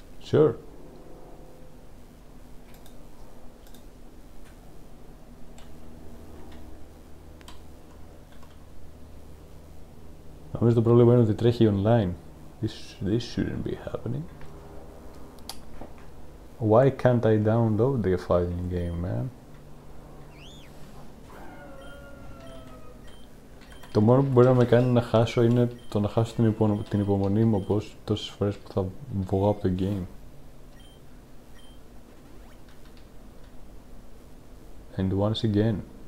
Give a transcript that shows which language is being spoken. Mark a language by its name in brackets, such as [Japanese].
[English] Sure. [Greek] Νομίζω το πρόβλημα είναι ότι τρέχει online. [English] This shouldn't be happening. Why can't I download the fighting game, man? [Greek] Το μόνο που μπορεί να με κάνει να χάσω είναι το να χάσω την υπομονή μου, όπως τόσες φορές που θα βγω από το game. [English] And once again.